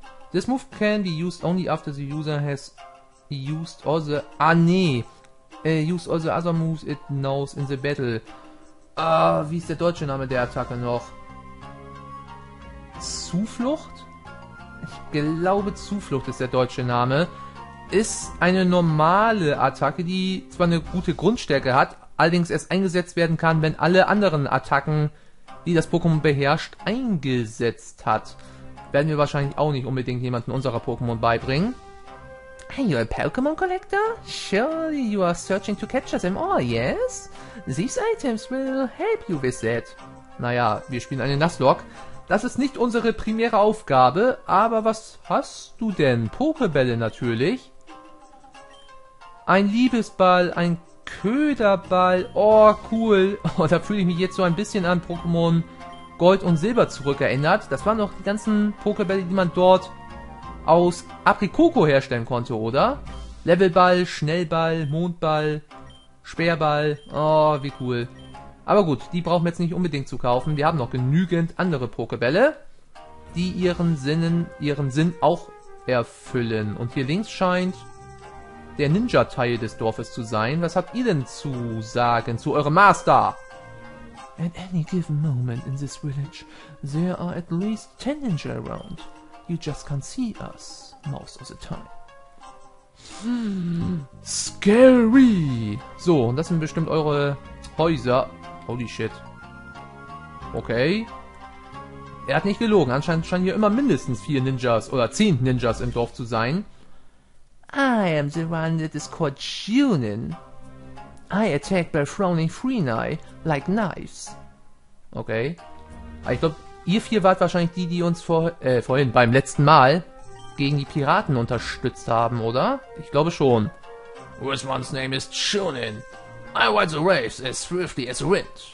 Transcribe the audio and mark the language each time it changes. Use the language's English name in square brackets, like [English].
[English] This move can be used only after the user has used all the... use all the other moves it knows in the battle. [German] Wie ist der deutsche Name der Attacke noch? Zuflucht? Ich glaube, Zuflucht ist der deutsche Name. Ist eine normale Attacke, die zwar eine gute Grundstärke hat, allerdings erst eingesetzt werden kann, wenn alle anderen Attacken, die das Pokémon beherrscht, eingesetzt hat. Werden wir wahrscheinlich auch nicht unbedingt jemanden unserer Pokémon beibringen. [English] Are you a Pokémon Collector? Surely you are searching to capture them all, yes? These items will help you with that. [German] Naja, wir spielen eine Nuzlocke. Das ist nicht unsere primäre Aufgabe, aber was hast du denn? Pokebälle natürlich. Ein Liebesball, ein Köderball. Oh, cool. Oh, da fühle ich mich jetzt so ein bisschen an Pokémon Gold und Silber zurückerinnert. Das waren noch die ganzen Pokebälle, die man dort aus Aprikoko herstellen konnte, oder? Levelball, Schnellball, Mondball, Speerball. Oh, wie cool. Aber gut, die brauchen wir jetzt nicht unbedingt zu kaufen. Wir haben noch genügend andere Pokebälle, die ihren Sinn auch erfüllen. Und hier links scheint der Ninja-Teil des Dorfes zu sein. Was habt ihr denn zu sagen zu eurem Master? [English] At any given moment in this village, there are at least 10 Ninja around. You just can't see us most of the time. Scary! [German] So, und das sind bestimmt eure Häuser. [English] Holy shit. [German] Okay. Er hat nicht gelogen. Anscheinend scheinen hier immer mindestens 4 Ninjas oder 10 Ninjas im Dorf zu sein. [English] I am the one that is called Junin. I attack by throwing Freenai like knives. [German] Okay. Ich glaube, ihr vier wart wahrscheinlich die uns vorhin beim letzten Mal gegen die Piraten unterstützt haben, oder? Ich glaube schon. [English] Wisman's name is Junin. I ride the waves as swiftly as the wind.